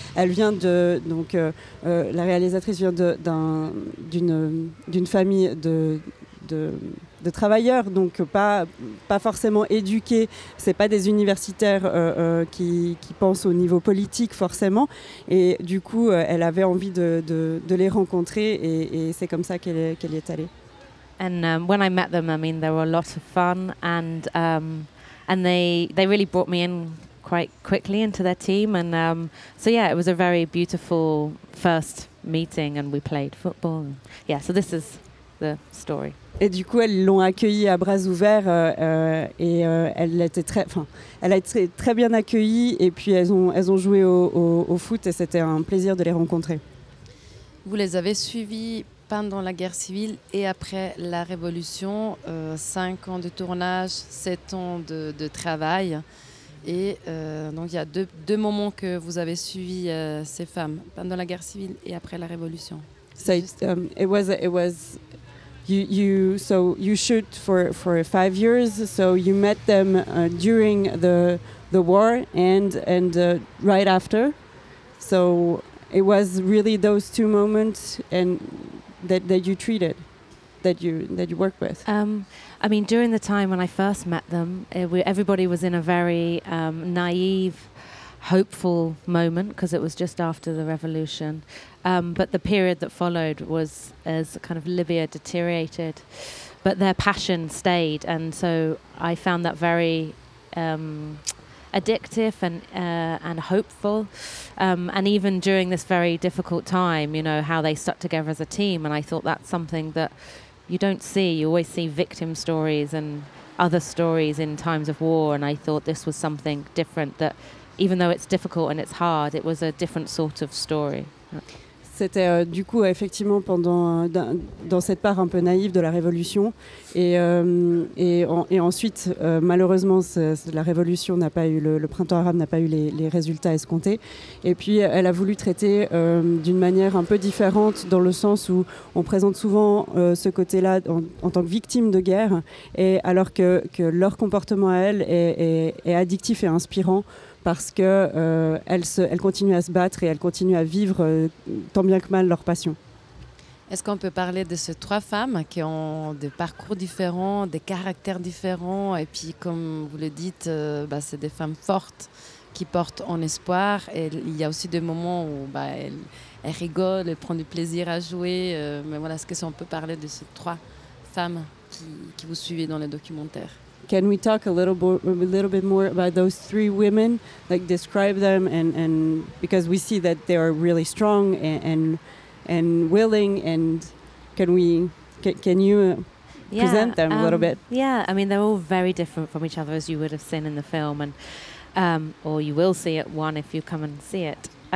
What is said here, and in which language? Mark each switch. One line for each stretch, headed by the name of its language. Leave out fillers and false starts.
French: Elle vient de donc la réalisatrice vient d'une famille de travailleurs, donc pas forcément éduqués. C'est pas des universitaires qui pensent au niveau politique forcément. Et du coup, elle avait envie de les rencontrer et c'est comme ça qu'elle y est allée.
English: And when I met them, I mean, they were a lot of fun, and they really brought me in quite quickly into their team, and so yeah, it was a very beautiful first meeting, and we played football. Yeah, so this is the story.
French: Et du coup, elles l'ont accueillie à bras ouverts, elle a été très bien accueillie, et puis elles ont joué au foot, et c'était un plaisir de les rencontrer. Vous les avez suivis pendant la guerre civile et après la révolution, 5 ans de tournage, 7 ans de travail. Et donc il y a deux moments que vous avez suivi ces femmes pendant la guerre civile et après la révolution.
English: It was you shoot for 5 years, so you met them during the war and right after. So it was really those two moments and that you treated, that you worked with. I mean, during the time when I first met them, everybody was in a very naive, hopeful moment because it was just after the revolution. But the period that followed was as kind of Libya deteriorated, but their passion stayed. And so I found that very addictive and hopeful. And even during this very difficult time, you know, how they stuck together as a team. And I thought that's something that you don't see. You always see victim stories and other stories in times of war. And I thought this was something different, that even though it's difficult and it's hard, it was a different sort of story.
French: C'était du coup effectivement pendant dans cette part un peu naïve de la révolution et ensuite malheureusement la révolution n'a pas eu le printemps arabe n'a pas eu les résultats escomptés et puis elle a voulu traiter d'une manière un peu différente dans le sens où on présente souvent ce côté-là en tant que victime de guerre et alors que leur comportement à elle est addictif et inspirant. Parce qu'elles continuent à se battre et elles continuent à vivre tant bien que mal leur passion. Est-ce qu'on peut parler de ces 3 femmes qui ont des parcours différents, des caractères différents, et puis comme vous le dites, c'est des femmes fortes qui portent en espoir. Et il y a aussi des moments où elles rigolent, elles prennent du plaisir à jouer. Mais voilà, est-ce qu'on peut parler de ces 3 femmes qui vous suivent dans le documentaire?
English: Can we talk a little bit more about those 3 women, like describe them and because we see that they are really strong and willing, and can you present them a little bit? Yeah, I mean, they're all very different from each other, as you would have seen in the film, and or you will see it one if you come and see it.